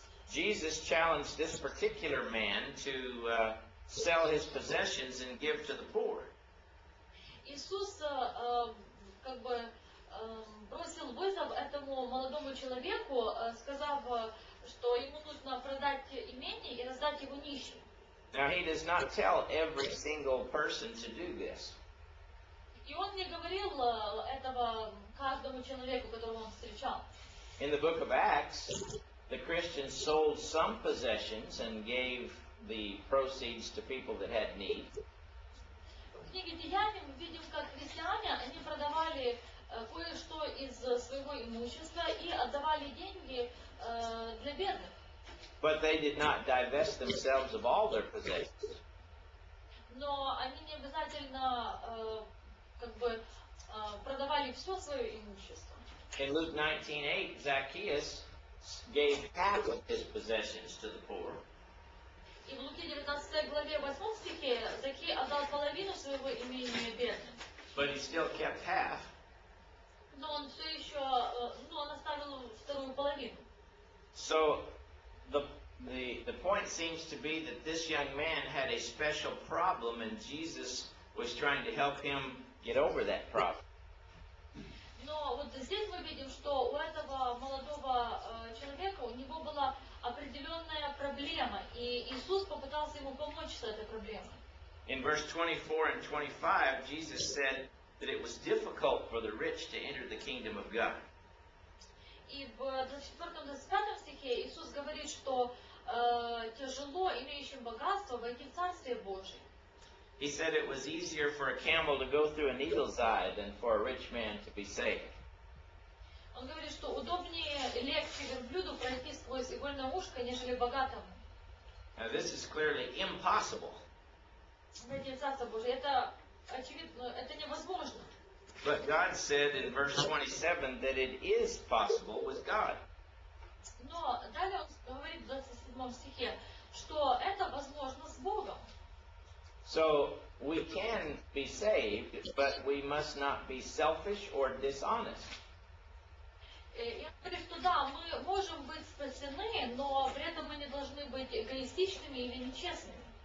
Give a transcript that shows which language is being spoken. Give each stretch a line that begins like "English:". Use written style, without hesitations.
English: Jesus challenged this particular man to sell his possessions and give to the poor.
Russian: Иисус как бы бросил вызов этому молодому человеку, сказав, что ему нужно продать имение и раздать его нищим.
English: Now he does not tell every single person to do this.
Russian: И он не говорил этого каждому человеку, которого он встречал.
English: In the book of Acts, the Christians sold some possessions and gave the proceeds to people that had need.
Russian: В книге Деяний мы видим, как христиане, они продавали кое-что из своего имущества и отдавали деньги для бедных.
English: But they did not divest themselves of all their possessions.
Russian: Но они не обязательно как бы продавали все свое имущество.
English: In Luke 19:8, Zacchaeus gave half of his possessions to the poor.
Russian: И в Луки 19 главе 8 стихе Закхей отдал половину своего имения бедным.
English: But he still kept half.
Russian: Но он все еще, ну, он оставил вторую половину.
English: So the point seems to be that this young man had a special problem, and Jesus was trying to help him get over that problem.
Russian: Но вот здесь мы видим, что у этого молодого человека, у него была определенная проблема, и Иисус попытался ему помочь с этой проблемой.
English: In verse 24 and 25, Jesus said that it was difficult for the rich to enter the kingdom of God.
Russian: И в 24-25 стихе Иисус говорит, что тяжело имеющим богатство войти в Царствие Божие.
English: He said it was easier for a camel to go through a needle's eye than for a rich man to be saved.
Russian: Он говорит, что удобнее легче верблюду пройти сквозь игольное ушко, нежели богатому.
English: Now this is clearly impossible.
Russian: Это очевидно, это невозможно.
English: But God said in verse 27 that it is possible with God.
Russian: Но далее он говорит в 27 стихе, что это возможно с Богом.
English: So we can be saved, but we must not be selfish or dishonest.
Russian: Я говорю, что да, мы можем быть спасены, но при этом мы не должны быть эгоистичными или нечестными.